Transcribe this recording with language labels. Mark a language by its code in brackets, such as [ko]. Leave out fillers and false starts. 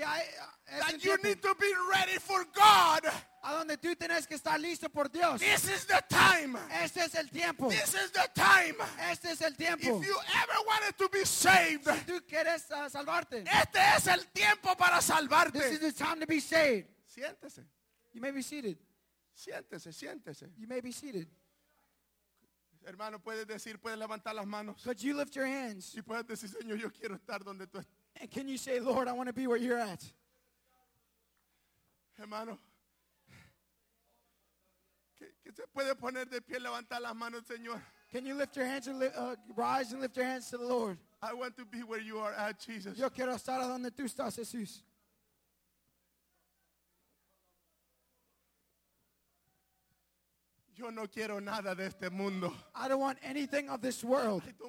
[en] that you need to be ready for God. [es] A donde tú tienes que estar listo por Dios. [en] This is the time. [es] Este es el tiempo. [en] This is the time. [es] Este es el tiempo. [en] If you ever wanted to be saved, [es] si tú quieres salvarte. Este es el tiempo para salvarte. [en] This is the time to be saved. [es] Siéntese. [en] You may be seated. [es] Siéntese, siéntese. [en] You may be seated. [es] Hermano, puedes decir, puedes levantar las manos. [en] Could you lift your hands? [es] Y puedes decir, Señor, yo quiero estar donde tú estás. [en] And can you say, Lord, I want to be where you're at? [es] Hermano, ¿qué se puede poner de pie, levantar las manos, Señor? [en] Can you lift your hands and rise and lift your hands to the Lord? I want to be where you are at, Jesus. [es] Yo quiero estar donde tú estás, Jesús. Yo no quiero nada de este mundo. I don't want anything of this world.